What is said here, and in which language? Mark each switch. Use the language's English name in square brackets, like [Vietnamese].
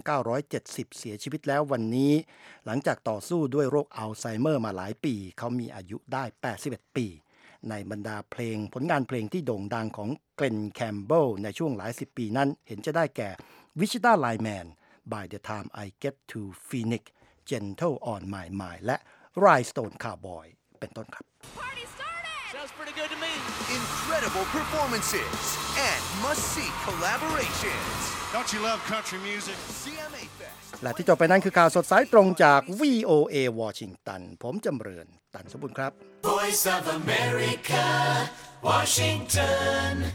[Thai] 1970เสียชีวิตแล้ววันนี้หลังจากต่อสู้ด้วยโรคอัลไซเมอร์มาหลายปีเขามีอายุได้81ปีในบรรดาเพลงผลงานเพลงที่โด่งดังของเกรนแคมเบลในช่วงหลายสิบปีนั้นเห็นจะได้แก่ Wichita Lineman By The Time I Get To PhoenixGentle on my mind และ Rhinestone Cowboy เป็นต้นครับ Party started! [English] Sounds pretty good to me. Incredible performances and must-see collaborations. Don't you love country music? CMA Fest. [Thai] และที่จบไปนั้นคือข่าวสดสายตรงจาก VOA Washington ผมจำเริญตันสมบูรณ์ครับ Voice of America Washington